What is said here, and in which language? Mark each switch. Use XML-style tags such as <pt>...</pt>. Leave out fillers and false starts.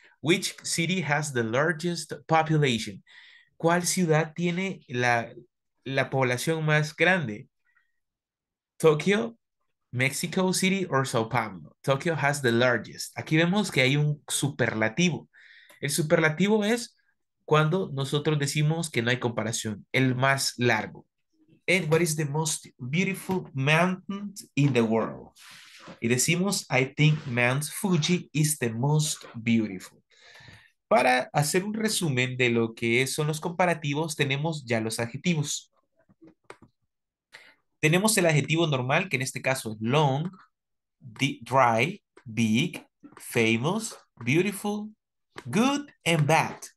<en>Which city has the largest population?</en> <es>¿Cuál ciudad tiene la población más grande?</es> <en>¿Tokio, Mexico City or Sao Paulo? Tokyo has the largest.</en> <es>Aquí vemos que hay un superlativo. El superlativo es cuando nosotros decimos que no hay comparación, el más largo.</es> <en>And what is the most beautiful mountain in the world?</en> <es>Y decimos,</es> <en>I think Mount Fuji is the most beautiful.</en> <es>Para hacer un resumen de lo que son los comparativos, tenemos ya los adjetivos. Tenemos el adjetivo normal, que en este caso es</es> <en>long, dry, big, famous, beautiful, good and bad.</en>